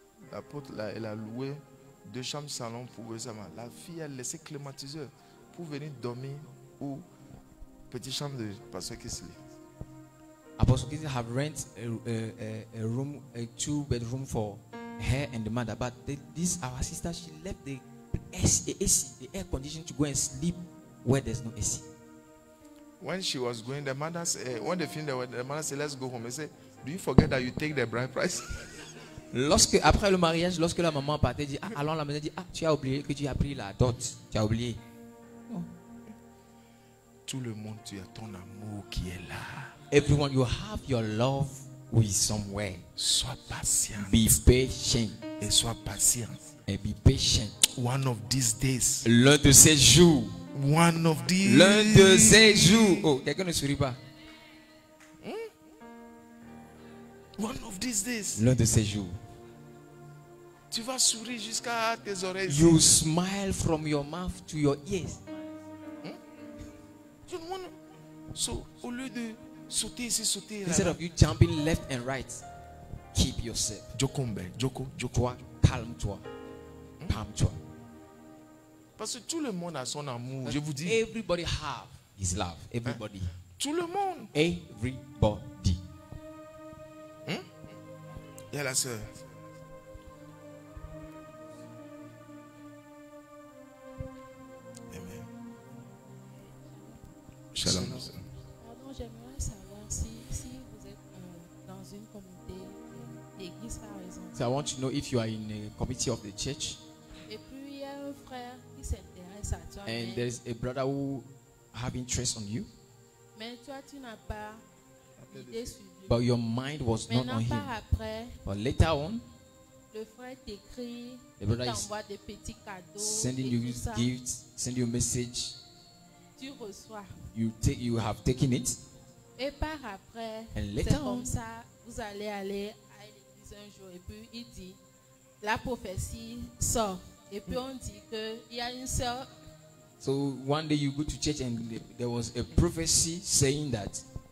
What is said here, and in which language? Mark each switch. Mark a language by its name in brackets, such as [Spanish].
[French] L'apôtre là, elle a loué deux chambres salon pour récemment. La fille a laissé climatiseur pour venir dormir ou petite chambre de pasteur Kisley. [English] Apostle Kisley have rent a room, a two bedroom for her and the mother. But this our sister, she left the AC, the air condition to go and sleep where there's no AC. When she was going, the mother said, when they finished, the mother said, let's go home. They said, do you forget that you take the bride price? [French] Lorsque après le mariage, lorsque la maman partait, dit ah, allons la maison, dit ah, tu as oublié que tu as pris la dot, tu as oublié. Tout le monde, tu as ton amour qui est là. [English] Everyone, you have your love with somewhere. [French] Sois patient. [English] Be patient. [French] Et sois patient. [English] And be patient. One of these days. [French] L'un de ces jours. [English] One of these. [French] L'un de ces jours. Oh, quelqu'un ne sourit pas. [English] One of these days. [French] L'un de ces jours. Tu vas sourire jusqu'à tes oreilles. [English] You smile from your mouth to your ears. You don't want to. [French] So, au lieu de sauter ici, sauter là. [English] Instead of you jumping left and right, keep yourself. Jokombe, Joko. [French] Toi, calme-toi. Calme-toi. Parce que tout le monde a son amour, je vous dis. [English] Everybody have his love. Everybody. [French] Hein? Tout le monde. [English] Everybody. [French] Il y a la sœur. Amen. Shalom. Pardon, j'aimerais savoir si vous êtes dans une communauté d'église par exemple. [English] So I want to know if you are in a committee of the church. [French] Et puis il y a un frère qui s'intéresse à toi. [English] And there's a brother who have interest on you. [French] Mais toi tu n'as pas idée sur. [English] But your mind was [French] maintenant [English] not on him. [French] Après, [English] but later on, [French] le frère t'écrit, [English] the brother is [French] des petits cadeaux [English] sending you gifts, send you a message. [French] Tu reçois. [English] You have taken it. [French] Et par après, [English] and later [French] c'est [English] on, [French] comme ça, vous allez aller à l'église un jour et puis il dit, la prophétie sort. Et puis on dit que il y a une sœur. [English] So one day you go to church and there was a prophecy saying that.